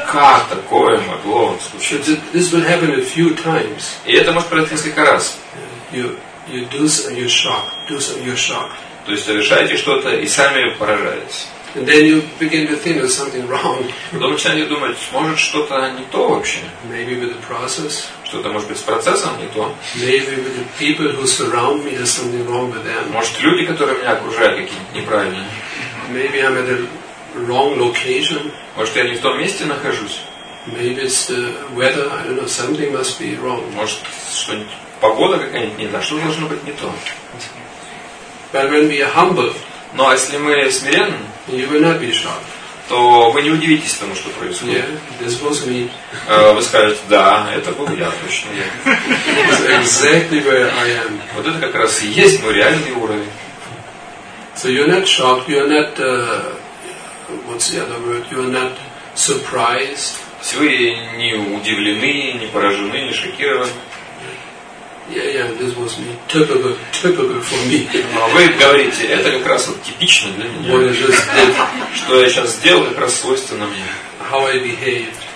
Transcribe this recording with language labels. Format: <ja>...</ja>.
<ru>как такое могло случиться?</ru> <en>This will happen a few times.</en> <ru>И это может произойти несколько раз.</ru> <en>You do some shock.</en> <ru>То есть совершаете что-то и сами поражаетесь.</ru> <en>And then you begin to think there's something wrong.</en> <ru>Потом начинаете думать, может что-то не то вообще.</ru> <en>Maybe with the process.</en> <ru>Что-то может быть с процессом не то.</ru> <en>Maybe with the people who surround me, there's something wrong with them.</en> <ru>Может люди, которые меня окружают, какие-то неправильные.</ru> <en>Maybe I'm at a wrong location.</en> <ru>Может я не в том месте нахожусь.</ru> <en>Maybe it's the weather. I don't know. Something must be wrong.</en> <ru>Может что-нибудь погода какая-нибудь не та. Что должно быть не то.</ru> <en>But when we are humble.</en> <ru>Но если мы смиренны.</ru> <en>You will not be shocked.</en> <ru>То вы не удивитесь тому, что происходит.</ru> <en>Yeah, this was me.</en> <ru>Вы скажете, да, это был я, точно я.</ru> <en>Exactly where I am.</en> <ru>Вот это как раз и есть мой реальный уровень.</ru> <en>So you're not shocked, you're not, what's the other word, you're not surprised.</en> <ru>Все вы не удивлены, не поражены, не шокированы.</ru> <en>Yeah, this was me. Typical for me.</en> <ru>А вы говорите, это как раз вот типично для меня. Что я сейчас сделал, как раз свойственно мне.</ru> <en>How I behaved.</en>